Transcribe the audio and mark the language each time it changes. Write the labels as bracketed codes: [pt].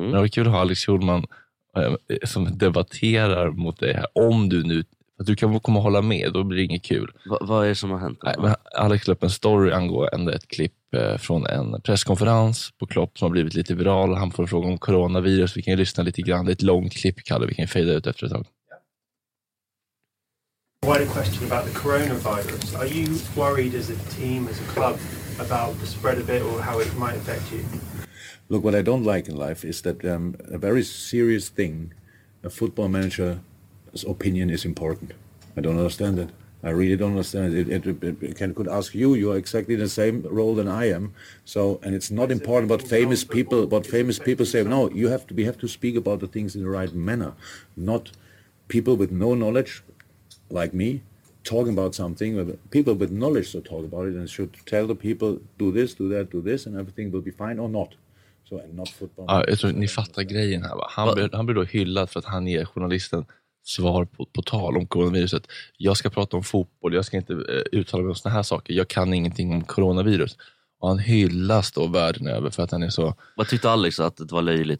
[sv] Men det var kul att ha Alex Schulman som debatterar mot dig här, om du nu, att du kan komma hålla med, då blir det inget kul. Vad är det som har hänt? Nej, men Alex la upp en story angående ett klipp från en presskonferens på Klopp som har blivit lite viral. Han får en fråga om coronavirus. Vi kan ju lyssna lite grann. Det är ett långt klipp, Kalle. Vi kan fejda ut efter ett tag. [en] wider question about the coronavirus. Are you worried as a team, as a club, about the spread of it or how it might affect you? Look, what I don't like in life is that a very serious thing, a football manager's opinion is important. I don't understand it. I really don't understand it. It could ask you. You are exactly in the same role than I am. So, and it's not important what famous people say. No, you have to. We have to speak about the things in the right manner, not people with no knowledge, like me, talking about something. People with knowledge should talk about it and should tell the people do this, do that, do this, and everything will be fine or not. So, and not football. [sv] Jag tror ni fattar grejen här. Han blir då hyllad för att han är journalisten. Svar på tal om coronaviruset. Jag ska prata om fotboll. Jag ska inte uttala mig om såna här saker. Jag kan ingenting om coronavirus. Och han hyllas då världen över för att han är så... Vad tyckte Alex att det var löjligt?